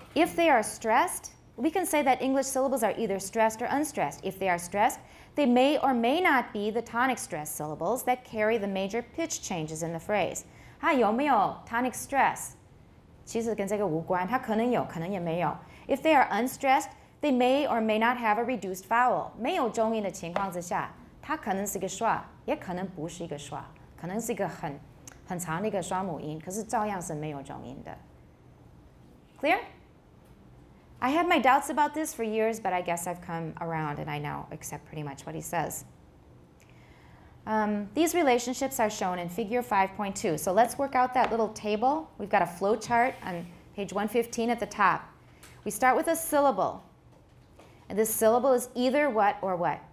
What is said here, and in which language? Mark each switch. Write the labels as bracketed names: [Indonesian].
[English] If they are stressed, we can say that English syllables are either stressed or unstressed. If they are stressed, they may or may not be the tonic stress syllables that carry the major pitch changes in the phrase. [Chinese] 它有没有 tonic stress? 其实跟这个无关,它可能有,可能也没有. [English] If they are unstressed, they may or may not have a reduced vowel. [Chinese] 没有重音的情况之下, 它可能是一个schwa, 也可能不是一个schwa, 可能是一个很长的一个双母音, 可是照样是没有重音的. [English] Clear? I had my doubts about this for years, but I guess I've come around and I now accept pretty much what he says. These relationships are shown in figure 5.2. So let's work out that little table. We've got a flow chart on page 115 at the top. We start with a syllable, and this syllable is either what or what?